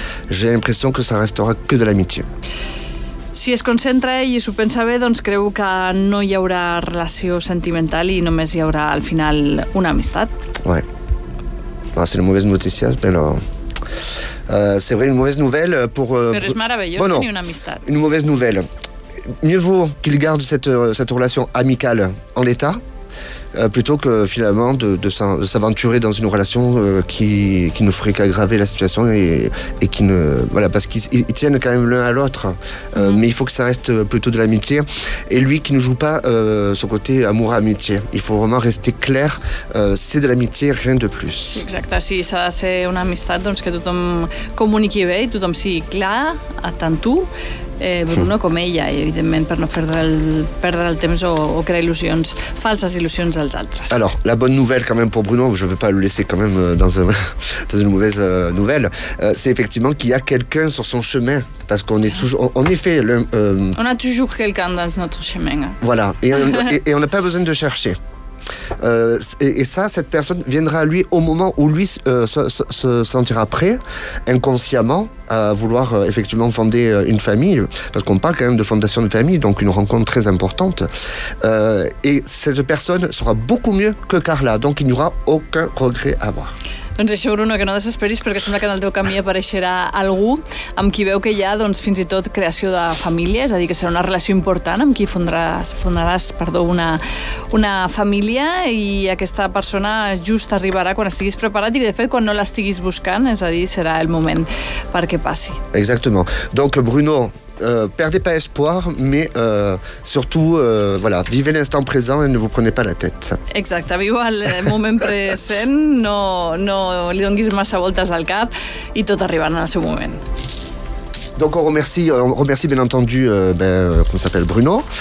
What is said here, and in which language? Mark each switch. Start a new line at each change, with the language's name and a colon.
French: J'ai l'impression que ça restera que de l'amitié.
Catalan: Si es concentra ell i s'ho pensa bé, doncs creu que no hi haurà relació sentimental i només hi haurà al final una amistat.
French: Ouais. Bon, c'est une mauvaise
Catalan: noticia, pero...
French: c'est vrai, une mauvaise nouvelle pour...
Catalan: Pero és meravellós tenir una amistat.
French: Une mauvaise nouvelle. Mieux vaut qu'il garde cette relation amicale en l'état, plutôt que finalement de s'aventurer dans une relation qui ne ferait qu'aggraver la situation et qui ne... Voilà, parce qu'ils tiennent quand même l'un à l'autre, mais il faut que ça reste plutôt de l'amitié. Et lui qui ne joue pas son côté amour-amitié. Il faut vraiment rester clair, c'est de l'amitié, rien de plus.
Catalan: Exacte, si
French: ça c'est une
Catalan: amistat, doncs que tothom comuniqui bé i tothom sigui clar, tant tu... Bruno, com ella, evidentment, per no perdre el temps o crear il·lusions, falses il·lusions als altres.
French: Alors, la bonne nouvelle quand même pour Bruno, je ne veux pas le laisser quand même dans une mauvaise nouvelle, c'est effectivement qu'il y a quelqu'un sur son chemin, parce qu'on est toujours... On a toujours quelqu'un dans notre chemin. Voilà, et on n'a pas besoin de chercher. Et ça, cette personne viendra à lui au moment où lui se sentira prêt, inconsciemment, à vouloir effectivement fonder une famille, parce qu'on parle quand même de fondation de famille, donc une rencontre très importante. Et cette personne sera beaucoup mieux que Carla, donc il n'y aura aucun regret à avoir.
Catalan: Doncs això, Bruno, que no desesperis, perquè sembla que en el teu camí apareixerà algú amb qui veu que hi ha doncs, fins i tot creació de família, és a dir, que serà una relació important amb qui fundaràs una família i aquesta persona just arribarà quan estiguis preparat i, de fet, quan no l'estiguis buscant, és a dir, serà el moment perquè passi. Exactament. Donc, Bruno...
French: perdez pas espoir, mais surtout, voilà, vivez l'instant présent et ne vous prenez pas la tête.
Catalan: Exacte, viu el moment present, no li donis massa voltes al cap i tot arribarà en el seu moment.
French: Donc on remercie bien entendu qu'on s'appelle Bruno.